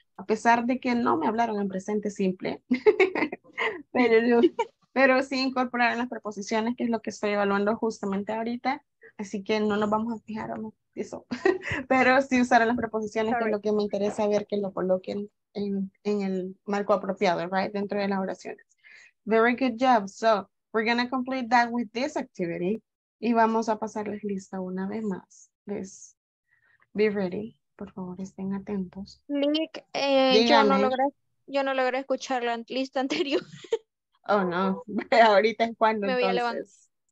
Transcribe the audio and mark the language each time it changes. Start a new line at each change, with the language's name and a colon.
Spanish: A pesar de que no me hablaron en presente simple, pero sí incorporaron las preposiciones, que es lo que estoy evaluando justamente ahorita. Así que no nos vamos a fijar en eso. Pero sí usaron las preposiciones, que es lo que me interesa ver que lo coloquen en el marco apropiado, right? Dentro de las oraciones.
English: Very good job. So, we're going to complete that with this activity.
Spanish: Y vamos a pasarles lista una vez más.
English: Please. Be ready,
Spanish: por favor, estén atentos. Nick, yo no logré escuchar la lista anterior.
English: Oh, no.
Spanish: Ahorita es cuando, me voy entonces. A levantar.